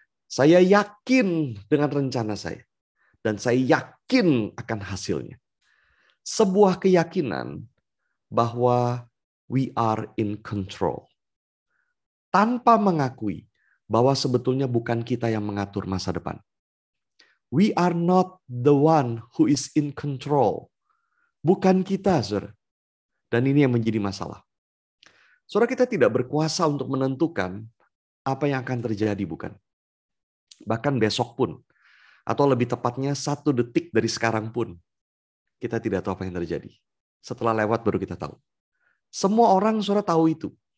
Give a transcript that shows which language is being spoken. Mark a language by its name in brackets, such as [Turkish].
[Indonesian] Saya yakin dengan rencana saya, dan saya yakin akan hasilnya. Sebuah keyakinan bahwa [English] we are in control. [Indonesian] Tanpa mengakui bahwa sebetulnya bukan kita yang mengatur masa depan. [English] We are not the one who is in control. [Indonesian] Bukan kita, saudara. Dan ini yang menjadi masalah. Saudara, kita tidak berkuasa untuk menentukan apa yang akan terjadi, bukan? Bahkan besok pun, atau lebih tepatnya satu detik dari sekarang pun, kita tidak tahu apa yang terjadi. Setelah lewat baru kita tahu. Semua orang, saudara, tahu itu.